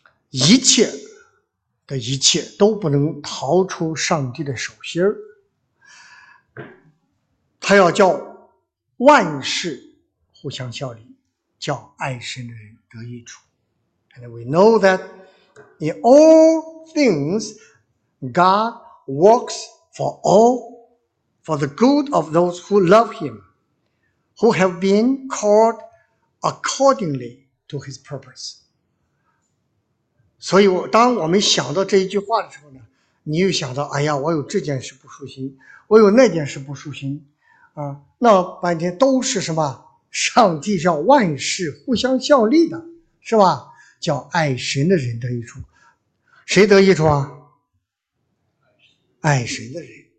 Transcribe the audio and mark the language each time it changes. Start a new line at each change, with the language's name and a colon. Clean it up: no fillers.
Chinese: 一切的一切都不能逃出上帝的手心儿，他要叫万事互相效力，叫爱神的人得益处。
English: And we know that in all things, God works for all. For the good of those who love him, who have been called accordingly to his purpose.
Chinese: 所以当我们想到这一句话的时候呢，你又想到，哎呀，我有这件事不顺心，我有那件事不顺心，啊，那半天都是什么？上帝叫万事互相效力的，是吧？叫爱神的人得益处。谁得益处啊？爱神的人。